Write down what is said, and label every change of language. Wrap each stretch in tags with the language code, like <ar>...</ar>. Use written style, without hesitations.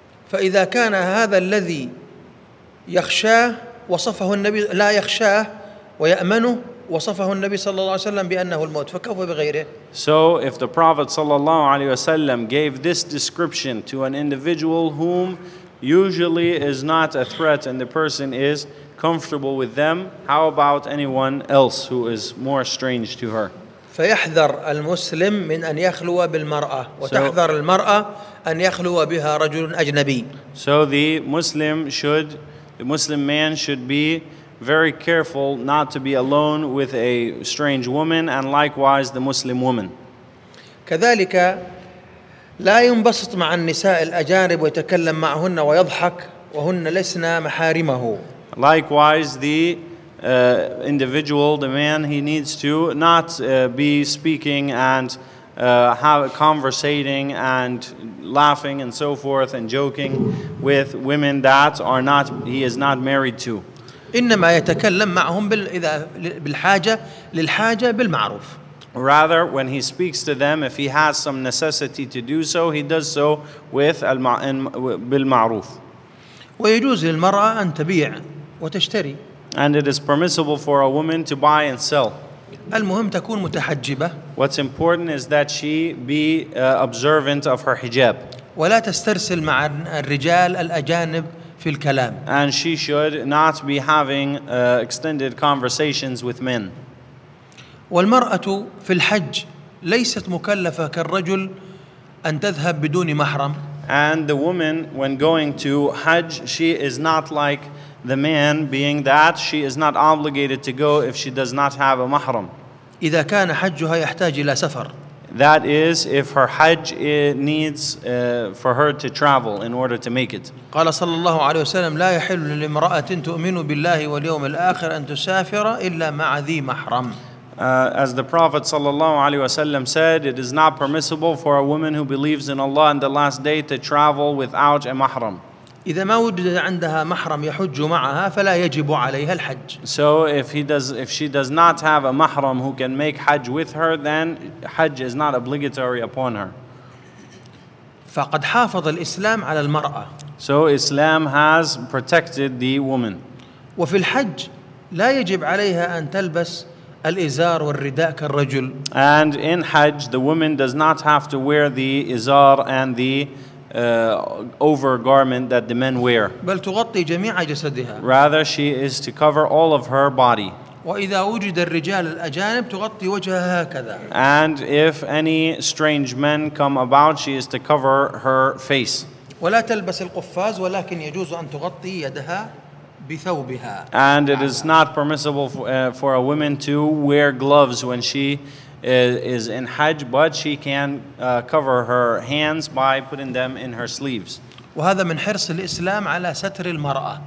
<ar>فإذا كان هذا الذي يخشاه وصفه النبي لا يخشاه ويأمنه وصفه النبي صلى الله عليه وسلم بأنه الموت فكيف بغيره.</ar> <en>So if the Prophet</en> <ar>صلى الله عليه وسلم</ar> <en>gave this description to an individual whom usually is not a threat and the person is comfortable with them, how about anyone else who is more strange to her?</en> <ar>فيحذر المسلم من أن يخلو بالمرأة وتحذر المرأة أن يخلو بها رجل أجنبي.</ar> <en>So the Muslim man should be very careful not to be alone with a strange woman, and likewise the Muslim woman.</en> <ar>كذلك لا ينبسط مع النساء الأجانب ويتكلم معهن ويضحك وهن لسنا محارمه.</ar> <en>Likewise, the individual, the man, he needs to not be speaking and conversating and laughing and so forth and joking with women that are not he is not married to.</en> <ar>إنما يتكلم معهم بالحاجة للحاجة بالمعروف.</ar> <en>Rather, when he speaks to them, if he has some necessity to do so, he does so with بالمعروف.</en> <ar>ويجوز للمرأة أن تبيع وتشتري.</ar> <en>And it is permissible for a woman to buy and sell.</en> <ar>المهم تكون متحجبة.</ar> <en>What's important is that she be observant of her hijab.</en> <ar>ولا تسترسل مع الرجال الأجانب في الكلام.</ar> <en>And she should not be having extended conversations with men.</en> <ar>والمرأة في الحج ليست مكلفة كالرجل أن تذهب بدون محرم.</ar> <en>And the woman, when going to Hajj, she is not like the man, being that she is not obligated to go if she does not have a mahram.</en> <ar>إذا كان حجها يحتاج إلى سفر.</ar> <en>That is, if her Hajj needs for her to travel in order to make it.</en> <ar>قال صلى الله عليه وسلم لا يحل لامرأة تؤمن بالله واليوم الآخر أن تسافر إلا مع ذي محرم.</ar> <en>As the Prophet sallallahu alaihi wasallam said, it is not permissible for a woman who believes in Allah and the last day to travel without a mahram.</en> <ar>إذا ما وجد عندها محرم يحج معها فلا يجب عليها الحج.</ar> <en>So if she does not have a mahram who can make hajj with her, then hajj is not obligatory upon her.</en> <ar>فقد حافظ الإسلام على المرأة.</ar> <en>So Islam has protected the woman.</en> <ar>وفي الحج لا يجب عليها أن تلبس الإزار والرداء كالرجل.</ar> <en>And in Hajj, the woman does not have to wear the izar and the overgarment that the men wear.</en> <ar>بل تغطي جميع جسدها.</ar> <en>Rather, she is to cover all of her body.</en> <ar>وإذا وجد الرجال الأجانب تغطي وجهها هكذا.</ar> <en>And if any strange men come about, she is to cover her face.</en> <ar>ولا تلبس القفاز ولكن يجوز أن تغطي يدها.</ar> <en>And it is not permissible for a woman to wear gloves when she is in Hajj, but she can cover her hands by putting them in her sleeves.</en> <ar>وهذا من حرص الإسلام على ستر المرأة.</ar>